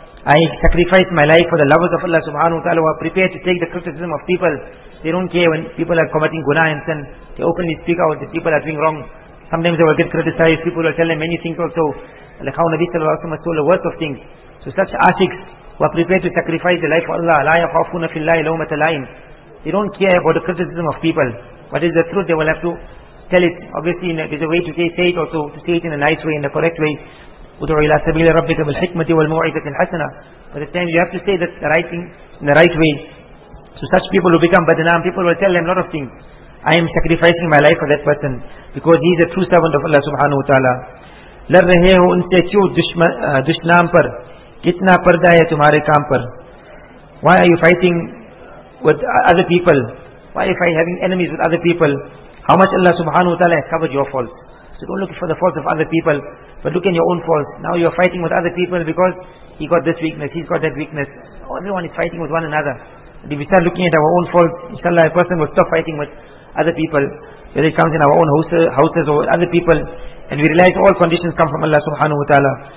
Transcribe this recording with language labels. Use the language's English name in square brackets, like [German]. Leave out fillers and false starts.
[English] I sacrifice my life for the lovers of Allah subhanahu wa ta'ala, who are prepared to take the criticism of people. They don't care when people are committing guna and sin. They openly speak out that people are doing wrong. Sometimes they will get criticized. People will tell them many things also. Like how Nabi sallallahu alayhi wa sallam told the worst of things. So such ashiqs who are prepared to sacrifice their life for Allah. [Arabic] لا يخافون في الله لومة لائم. [English] They don't care about the criticism of people. What is the truth? They will have to tell it. Obviously, there's a way to say it also, to say it in a nice way, in the correct way. [Arabic] ادعو الى سبيل ربك بالحكمة والموعظة الحسنة. [English] But at times you have to say that the right thing in the right way. So such people who become badnam, people will tell them a lot of things. I am sacrificing my life for that person because he is a true servant of Allah subhanahu wa ta'ala. [Urdu] لر رہے ہو ان سے کیوں دشنام پر کتنا پردہ ہے تمہارے کام پر. [English] Why are you fighting with other people? Why are you having enemies with other people? How much Allah subhanahu wa ta'ala has covered your fault? So don't look for the faults of other people, but look in your own faults. Now you're fighting with other people because he got this weakness, he's got that weakness. Everyone is fighting with one another. And if we start looking at our own faults, inshallah, a person will stop fighting with other people, whether it comes in our own houses or with other people, and we realize all conditions come from Allah subhanahu wa ta'ala.